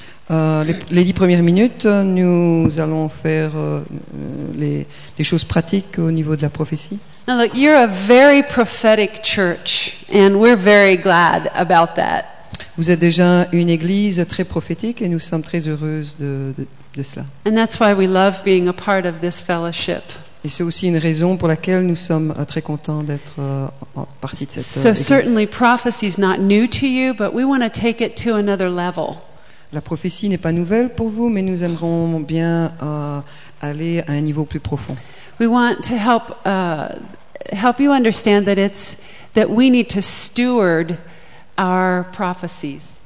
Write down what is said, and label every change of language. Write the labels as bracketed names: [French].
[French] Les 10 premières minutes, nous allons faire des choses pratiques au niveau de la prophétie. [English] Now look, you're a very prophetic church, and we're very glad about that. [French] Vous êtes déjà une église très prophétique, et nous sommes très heureuses de cela. [English] And that's why we love being a part of this fellowship. [French] Et c'est aussi une raison pour laquelle nous sommes très contents d'être partie de cette église. [English] So certainly prophecy is not new to you, but we want to take it to another level. [French] La prophétie n'est pas nouvelle pour vous, mais nous aimerons bien aller à un niveau plus profond. [English] We want to help you understand that it's that we need to steward our prophecies.